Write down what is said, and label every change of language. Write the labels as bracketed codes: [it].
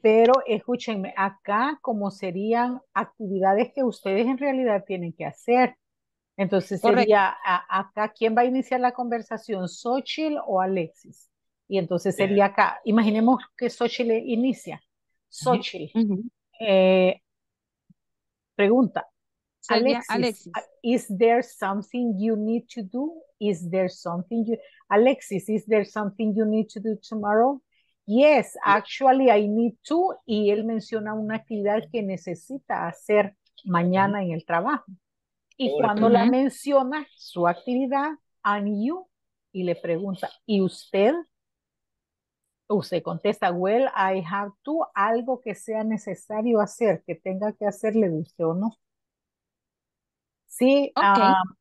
[es] Pero escúchenme, acá como serían actividades que ustedes en realidad tienen que hacer. Entonces correcto. Sería acá, ¿quién va a iniciar la conversación? ¿Xochitl o Alexis? Y entonces sería acá, imaginemos que Xochitl inicia. Xochitl, pregunta. [en] Alexis, is there something you need to do? Is there something you... Alexis, is there something you need to do tomorrow? Yes, actually, I need to. [es] Y él menciona una actividad que necesita hacer mañana en el trabajo. Y cuando la menciona, su actividad, [en] and you, [es] y le pregunta, ¿y usted? Usted contesta, [en] well, I have to, [es] algo que sea necesario hacer, que tenga que hacer, le guste o no. Sí, okay.